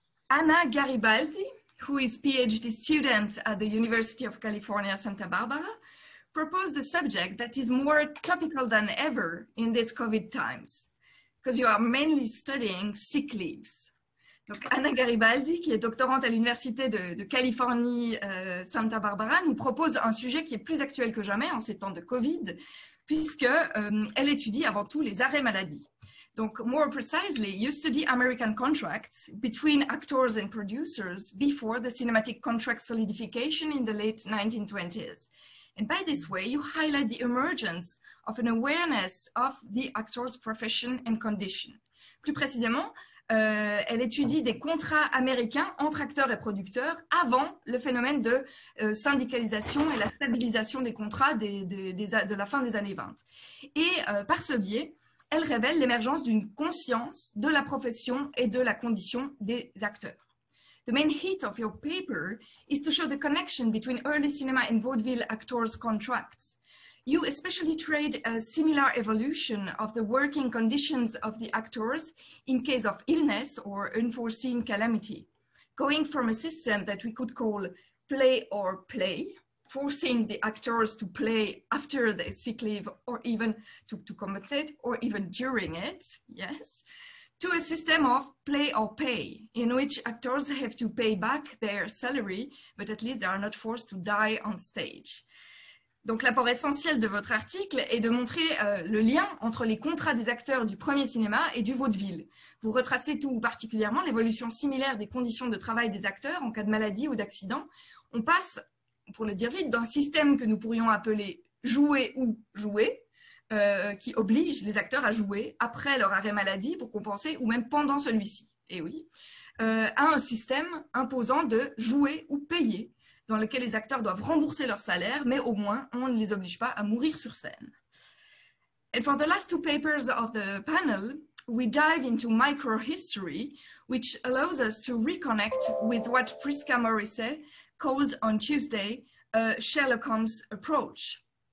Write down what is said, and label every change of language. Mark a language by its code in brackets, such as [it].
[en] Anna Garibaldi, who is a PhD student at the University of California, Santa Barbara, proposed a subject that is more topical than ever in these COVID times, because you are mainly studying sick leaves. [fr] Donc Anna Garibaldi, qui est doctorante à l'Université de Californie, Santa Barbara, nous propose un sujet qui est plus actuel que jamais en ces temps de COVID, puisque elle étudie avant tout les arrêts maladie. [en] Donc, more precisely, you study American contracts between actors and producers before the cinematic contract solidification in the late 1920s. And by this way, you highlight the emergence of an awareness of the actor's profession and condition. [fr] Plus précisément, elle étudie des contrats américains entre acteurs et producteurs avant le phénomène de syndicalisation et la stabilisation des contrats de la fin des années 20. Et par ce biais, elle révèle l'émergence d'une conscience de la profession et de la condition des acteurs. [en] The main hit of your paper is to show the connection between early cinema and vaudeville actors' contracts. You especially trade a similar evolution of the working conditions of the actors in case of illness or unforeseen calamity, going from a system that we could call play or play, forcing the actors to play after the sick leave or even to compensate or even during it, yes, to a system of play or pay in which actors have to pay back their salary, but at least they are not forced to die on stage. [fr] Donc l'apport essentiel de votre article est de montrer le lien entre les contrats des acteurs du premier cinéma et du vaudeville. Vous retracez tout particulièrement l'évolution similaire des conditions de travail des acteurs en cas de maladie ou d'accident. On passe, pour le dire vite, d'un système que nous pourrions appeler « jouer ou jouer », qui oblige les acteurs à jouer après leur arrêt maladie pour compenser, ou même pendant celui-ci, eh oui, à un système imposant de jouer ou payer, dans lequel les acteurs doivent rembourser leur salaire, mais au moins, on ne les oblige pas à mourir sur scène. [en] And for the last two papers of the panel, we dive into microhistory, which allows us to reconnect with what Prisca Morrissey called on Tuesday a Sherlock Holmes approach.